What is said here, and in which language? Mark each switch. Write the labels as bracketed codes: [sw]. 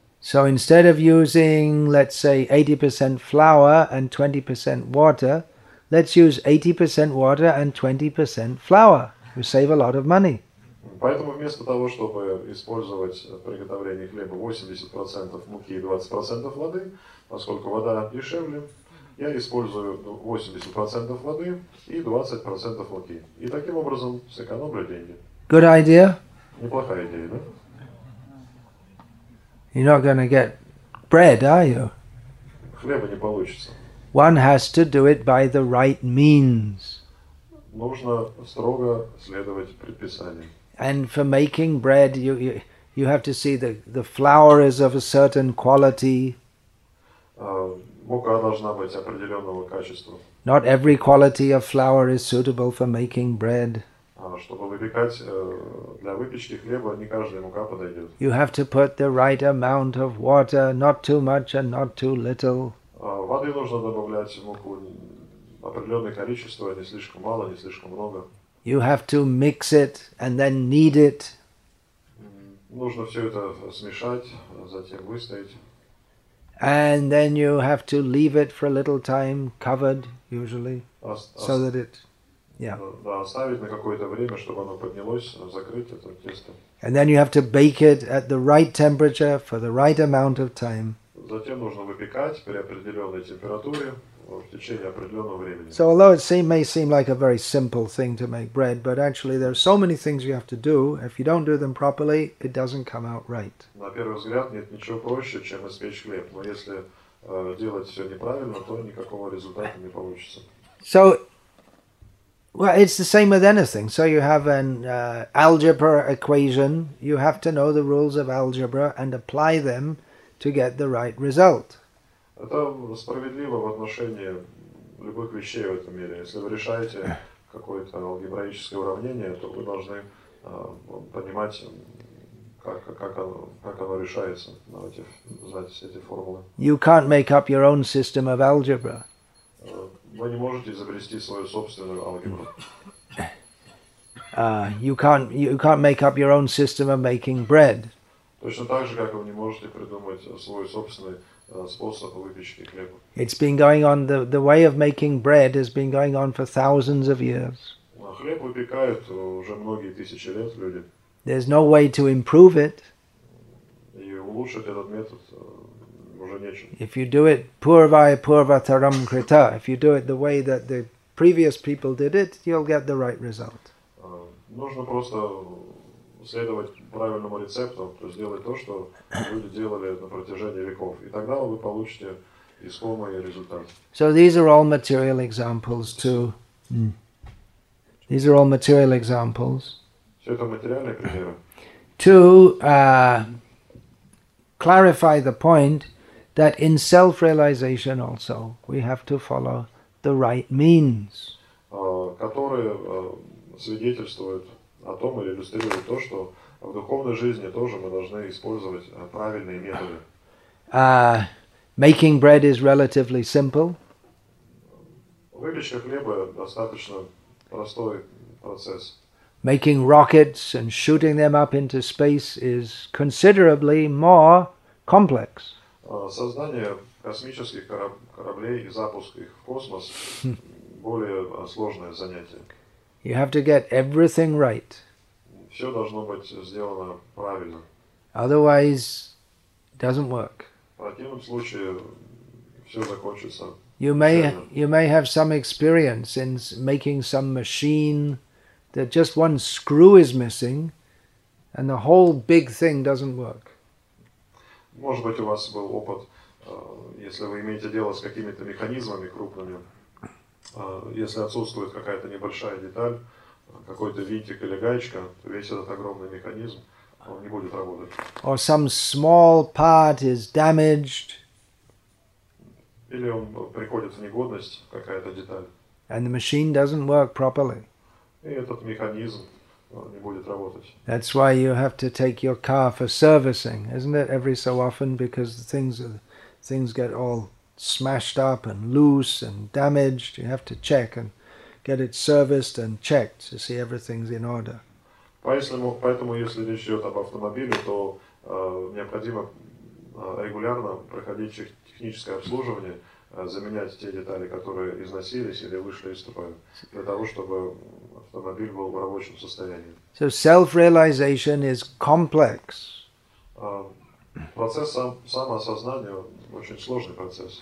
[en] So instead of using, let's say, 80% flour and 20% water, let's use 80% water and 20% flour. We save a lot of money. [ru] Поэтому вместо того, чтобы использовать в приготовлении хлеба 80% муки и 20% воды, поскольку вода дешевле, я использую 80% воды и 20% муки. И таким образом сэкономлю деньги. [en] Good idea. [ru] Неплохая идея, да? [en] You're not going to get bread, are you? [ru] Хлеба не получится. [en] One has to do it by the right means. [ru] Нужно строго следовать предписаниям. [en] And for making bread, you have to see the flour is of a certain quality. [ru] Мука должна быть определенного качества. [en] Not every quality of flour is suitable for making bread. [ru] Чтобы выпекать, для выпечки хлеба, не каждая мука подойдет. [en] You have to put the right amount of water, not too much and not too little. [ru] Воды нужно добавлять в муку определенное количество, не слишком мало, не слишком много. [en] You have to mix it and then knead it. [ru] Нужно все это смешать, затем выставить. [en] And then you have to leave it for a little time covered, usually, so that it... [ru] Да, оставить на какое-то время, чтобы оно поднялось, закрыть это тесто. [en] And then you have to bake it at the right temperature for the right amount of time. [ru] Затем нужно выпекать при определенной температуре в течение определенного времени. [en] So although it may seem like a very simple thing to make bread, but actually there are so many things you have to do. If you don't do them properly, it doesn't come out right. [ru] На первый взгляд нет ничего проще, чем испечь хлеб. Но если делать все неправильно, то никакого результата не получится. [en] So, well, it's the same with anything. So you have an algebra equation. You have to know the rules of algebra and apply them to get the right result. [ru] Это справедливо в отношении любых вещей в этом мире. Если вы решаете какое-то алгебраическое уравнение, то вы должны понимать, как оно решается, знать все эти формулы. [en] You can't make up your own system of algebra. [ru] Вы не можете изобрести свою собственную алгебру. [en] You can't make up your own system of making bread. [ru] Точно так же, как вы не можете придумать свой собственный способ выпечки хлеба. [en] It's been going on, the way of making bread has been going on for thousands of years. [ru] Хлеб выпекают уже многие тысячи лет люди. [en] There's no way to improve it. [ru] И улучшить этот метод уже нечем. [en] If you do it [sa] purvai purvataram krita, [en] if you do it the way that the previous people did it, you'll get the right result. [ru] Нужно просто следовать правильному рецепту, то есть делать то, что люди делали на протяжении веков. И тогда вы получите искомый результат. [en] So these are all material examples to... These are all material examples. [ru] Все это материальные примеры. [en] To clarify the point that in self-realization also we have to follow the right means. [ru] Которые свидетельствуют о том или иллюстрирует то, что в духовной жизни тоже мы должны использовать правильные методы. [en] Making bread is relatively simple. [ru] Выпечка хлеба достаточно простой процесс. [en] Making rockets and shooting them up into space is considerably more complex. [ru] Создание космических кораблей и запуск их в космос более сложное занятие. [en] You have to get everything right. [ru] Все должно быть сделано правильно. [en] Otherwise, it doesn't work. [ru] В противном случае, все закончится. [en] You may have some experience in making some machine that just one screw is missing, and the whole big thing doesn't work. [ru] Может быть, у вас был опыт, если вы имеете дело с какими-то механизмами крупными. Если отсутствует какая-то небольшая деталь, какой-то винтик или гаечка, то весь этот огромный механизм, он не будет работать. [en] Or some small part is damaged. [ru] Или он приходит в негодность, какая-то деталь. [en] And the machine doesn't work properly. [ru] И этот механизм не будет работать. [en] That's why you have to take your car for servicing, isn't it, every so often, because things get all smashed up and loose and damaged. You have to check and get it serviced and checked to see everything's in order. [ru] Поэтому, если речь идет об автомобиле, то необходимо регулярно проходить техническое обслуживание, заменять те детали, которые износились или вышли из строя, для того, чтобы автомобиль был в рабочем состоянии. [en] So self-realization is complex. [ru] Процесс самоосознания очень сложный процесс.